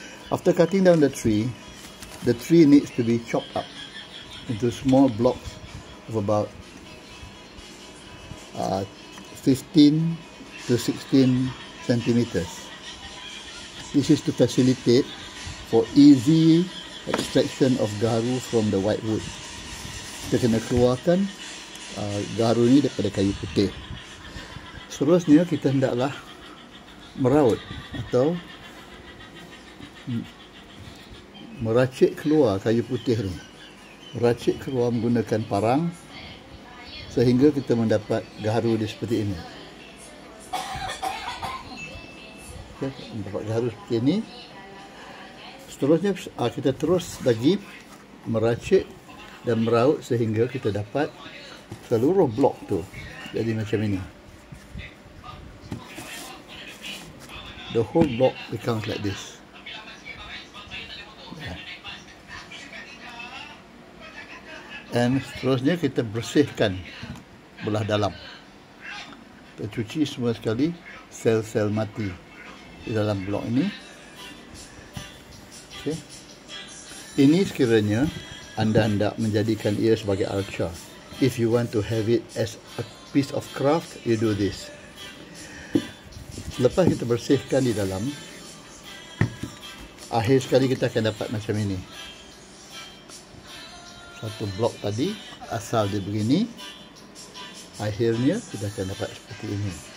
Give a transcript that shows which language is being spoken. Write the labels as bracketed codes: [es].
[en] After cutting down the tree needs to be chopped up into small blocks of about 15 to 16 centimeters. This is to facilitate for easy extraction of gaharu from the white wood. [ms] Kita kena keluarkan gaharu ni daripada kayu putih. Seterusnya kita hendaklah meraut atau meracik keluar kayu putih ni. Meracik keluar menggunakan parang sehingga kita mendapat gaharu dia seperti ini. Kita mendapat gaharu seperti ini. Seterusnya kita terus lagi meracik dan meraut sehingga kita dapat seluruh blok tu jadi macam ini. [en] The whole block becomes like this. [ms] And seterusnya kita bersihkan belah dalam. Kita cuci semua sekali sel-sel mati di dalam blok ini. Okay. Ini sekiranya anda hendak menjadikan ia sebagai arca. [en] If you want to have it as a piece of craft, you do this. [ms] Selepas kita bersihkan di dalam, akhir sekali kita akan dapat macam ini. Satu blok tadi, asal dia begini, akhirnya kita akan dapat seperti ini.